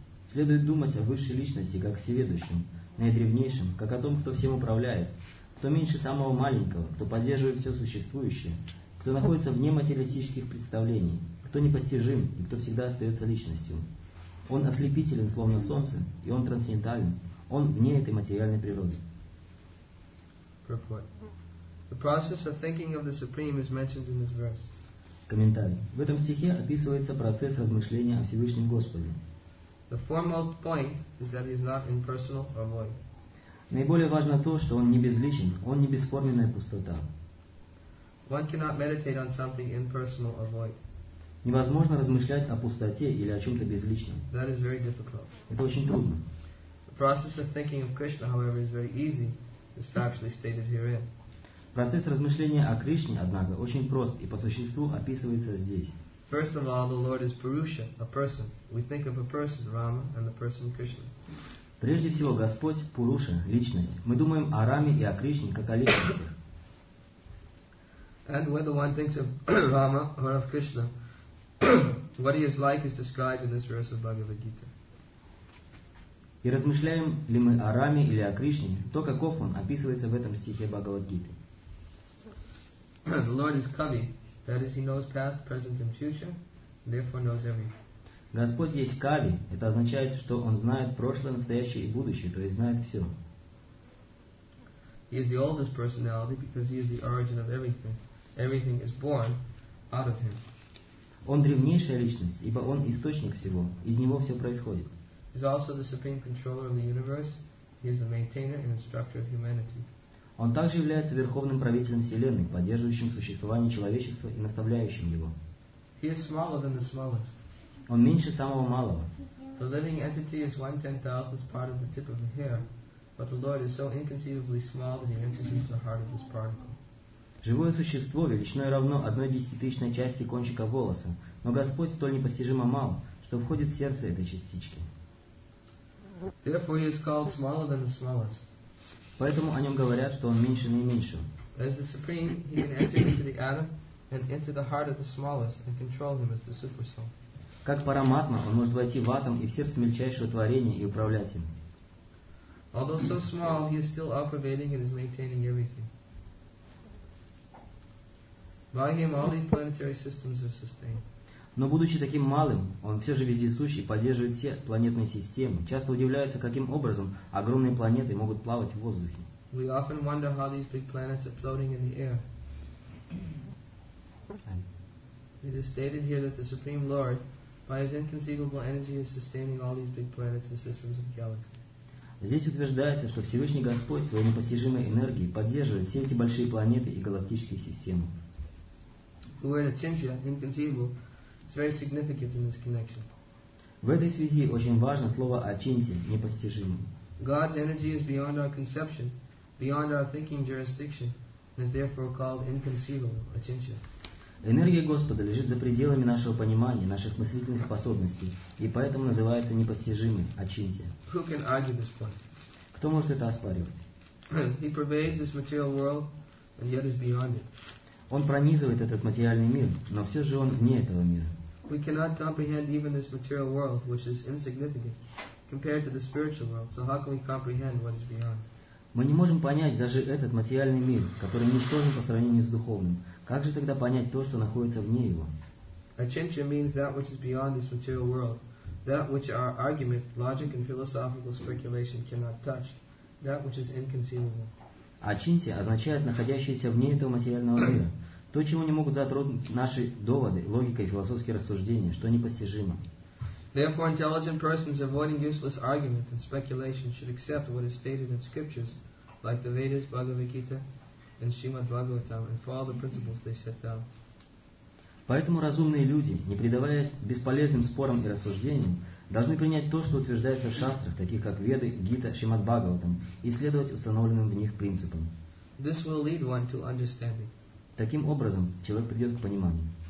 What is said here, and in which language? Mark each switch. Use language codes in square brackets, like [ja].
[ru] Следует думать о высшей личности как о всеведущем, наидревнейшем, как о том, кто всем управляет, кто меньше самого маленького, кто поддерживает все существующее, кто находится вне материалистических представлений, кто непостижим и кто всегда остается личностью. Он ослепителен, словно солнце, и он трансцендентален, он вне этой материальной природы. [en] The process of thinking of the Supreme is mentioned in this verse. [ru] Комментарий. В этом стихе описывается процесс размышления о Всевышнем Господе. [en] The foremost point is that he is not impersonal or void. [ru] Наиболее важно то, что он не безличен, он не бесформенная пустота. [en] One cannot meditate on something impersonal or void. [ru] Невозможно размышлять о пустоте или о чем-то безличном. [en] That is very difficult. [ru] Это очень трудно. [en] The process of thinking of Krishna, however, is very easy, as factually stated herein. [ru] Процесс размышления о Кришне, однако, очень прост и по существу описывается здесь. [en] First of all, the Lord is Purusha, a person. We think of a person, Rama, and the person Krishna. [ru] Прежде всего, Господь Пуруша, личность. Мы думаем о Раме и о Кришне как о личности. [en] And whether one thinks of Rama or of Krishna, what he is like is described in this verse of Bhagavad Gita. [ru] И размышляем ли мы о Раме или о Кришне, то каков он описывается в этом стихе Бхагавад Гиты. [en] The Lord is Kavi. That is, he knows past, present, and future, and therefore knows everything. [ru] Господь есть Кави. Это означает, что он знает прошлое, настоящее и будущее, то есть знает все. [en] He is the oldest personality because he is the origin of everything. Everything is born out of him. [ru] Он древнейшая личность, ибо он источник всего. Из него все происходит. [en] He is also the supreme controller of the universe. He is the maintainer and instructor of humanity. [ru] Он также является верховным правителем Вселенной, поддерживающим существование человечества и наставляющим его. [en] He is smaller than the smallest. [ru] Он меньше самого малого. [en] The living entity is 1/10,000th part of the tip of a hair, but the Lord is so inconceivably small that he enters into the heart of this particle. [ru] Живое существо величиной равно 1/10,000 части кончика волоса, но Господь столь непостижимо мал, что входит в сердце этой частички. [en] Therefore he is called smaller than the smallest. [ru] Поэтому о нем говорят, что он меньше наименьшего. [en] As the supreme, he can enter into the atom and into the heart of the smallest and control him as the super soul. [ru] Как параматма, он может войти в атом и в сердце мельчайшего творения и управлять им. [en] Although so small, he is still operating and is maintaining everything. By him, all these planetary systems are sustained. [ru] Но будучи таким малым, он все же вездесущ и поддерживает все планетные системы. Часто удивляются, каким образом огромные планеты могут плавать в воздухе. [en] We often wonder how these big planets are floating in the air. It is stated here that the Supreme Lord, by his inconceivable energy, is sustaining all these big planets and systems of galaxies. [ru] Здесь утверждается, что Всевышний Господь своей непостижимой энергией поддерживает все эти большие планеты и галактические системы. [en] The word Achintya, inconceivable, it's very significant in this connection. [ru] В этой связи очень важно слово «очинти» – «непостижимый». [en] God's energy is beyond our conception, beyond our thinking jurisdiction, and is therefore called inconceivable, «очинти». [ru] Энергия Господа лежит за пределами нашего понимания, наших мыслительных способностей, и поэтому называется непостижимый, «очинти». [en] Who can argue this point? [ru] Кто может это оспаривать? [en] He pervades this material world, and yet is beyond it. [ru] Он пронизывает этот материальный мир, но все же он вне этого мира. [en] We cannot comprehend even this material world, which is insignificant, compared to the spiritual world. So how can we comprehend what is beyond? [ru] Мы не можем понять даже этот материальный мир, который ничтожен по сравнению с духовным. Как же тогда понять то, что находится вне его? [en] Achintya means that which is beyond this material world, that which our argument, logic, and philosophical speculation cannot touch, that which is inconceivable. [ru] Ачинти означает находящееся вне этого материального мира, то, чему не могут затронуть наши доводы, логика и философские рассуждения, что непостижимо. [en] Therefore, intelligent persons avoiding useless argument and speculation should accept what is stated in scriptures, like the Vedas, Bhagavad Gita, and Srimad Bhagavatam, and follow the principles they set down. [ru] Поэтому разумные люди, не предаваясь бесполезным спорам и рассуждениям, должны принять то, что утверждается в шастрах, таких как Веды, Гита, Шримад-Бхагаватам, и следовать установленным в них принципам. [en] This will lead one to understanding. [ru] Таким образом, человек придет к пониманию.